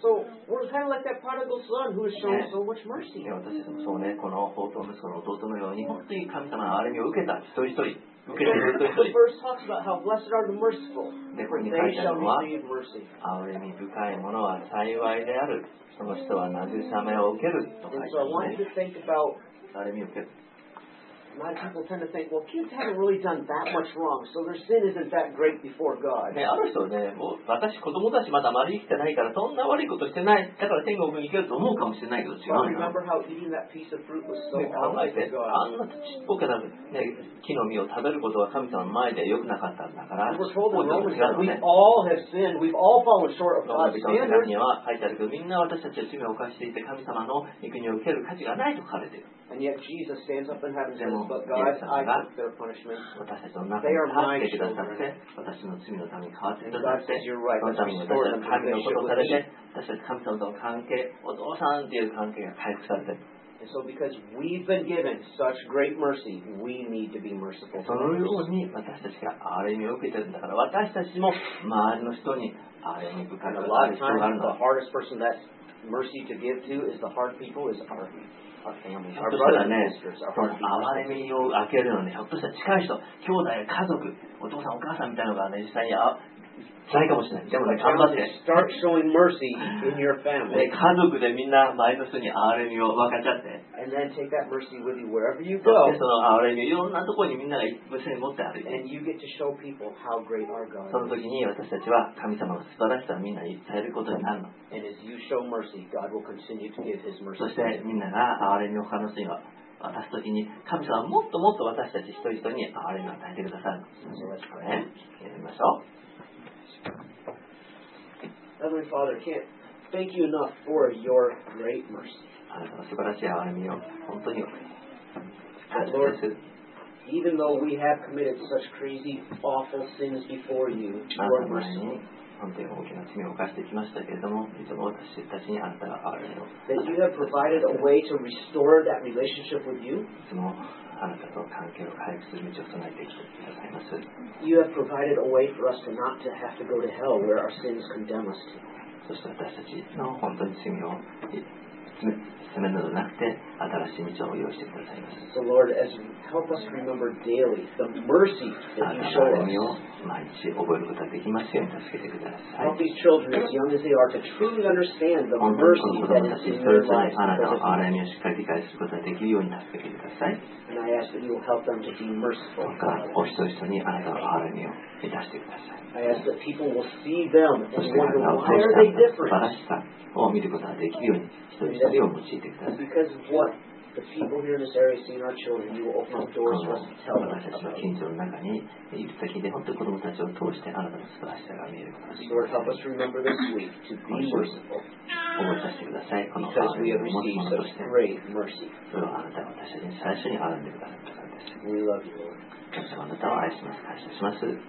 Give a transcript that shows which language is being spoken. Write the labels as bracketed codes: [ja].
[en] So, we're kind of like that prodigal son who has shown so much mercy. [ja] 私たちもそうね、この放蕩息子の弟のように、本当に神様の憐れみを受けた一人一人。でこれに書いてあるのは憐れみ深いものは幸いであるその人は慰めを受けると書いてあるね。憐れみを受ける [en] A lot of people tend to think, well, kids haven't really done that much wrong, so their sin isn't that great before God. [ja] ね、ある人ね、もう私子供たちまだ悪い生きてないから、そんな悪いことしてない、だから天国に行けると思うかもしれないけど、違うよ。 [en] But remember how eating that piece of fruit was so awful to God. [ja] あんなちっぽけな、ね、木の実を食べることは神様の前で良くなかったんだから。 [en] We're told in Romans that we all have sinned. We've all fallen short of God's standard. [ja] ローマ人には書いてあるけど、みんな私たちは罪を犯していて、神様の御国を受ける価値がないと書かれている。 [en] And yet Jesus stands up in heaven and says, "But God, I took their punishment. They are my children. God says, 'You're right. Let's restore the relationship.'" And so, because we've been given such great mercy, we need to be merciful. [ja] そのように私たちが憐れみを受けてるんだから、私たちも周りの人に憐れみ深く。 [en] A lot of times, the hardest person that mercy to give to is the hard people is our people. Our family, our brothers, start showing mercy in your family. And then take that mercy with you wherever you go. And you get to show people how great our God is. And as you show mercy, God will continue to give His mercy. [ja] そしてみんなが憐れみを他の人に渡すときに、神様はもっともっと私たち一人一人に憐れみを与えてくださる。よろしくね。やりましょう。 [en] Heavenly Father, can't thank you enough for your great mercy. [ja] あなたの素晴らしい憐れみを本当に [en] Lord, even though we have committed such crazy, awful sins before you, your mercy. [ja] 本当に大きな罪を犯してきましたけれども、いつも私たちにあなたが憐れみを。 [en] That you have provided a way to restore that relationship with you. [ja] いつもあなたと関係を回復する道を備えてきてくださいます。 [en] You have provided a way for us to not to have to go to hell where our sins condemn us to. [ja] そして私たちの本当に罪を責めなどなくて、新しい道を用意してくださいます。 [en] So Lord, as you help us remember daily the mercy that you show us. [ja] 毎日覚えることができますように助けてください。 [en] Help these children as young as they are to truly understand the mercy that is in your life. [ja] あなたの憐れみをしっかり理解することができるように助けてください。 [en] And I ask that you will help them to be merciful. [ja] お一人一人にあなたの憐れみを満たしてください。 [en] I ask that people will see them and wonder why are they different. [ja] 素晴らしさを見ることができるように一人一人を用いてください。 [en] Because of what? The people here in this area seeing our children, you will open up doors for us to tell them. [ja] 私たちの近所の中にいる先で本当に子供たちを通してあなたの素晴らしさが見えることです。 [en] Lord, help us remember this week to be merciful. [ja] 覚えさせてください。この憐れみを持つ者として。 [en] Great mercy. [ja] それをあなたが私たちに最初に憐れんでくださったからです。 [en] We love you, Lord. [ja] 神様、あなたを愛します。感謝します。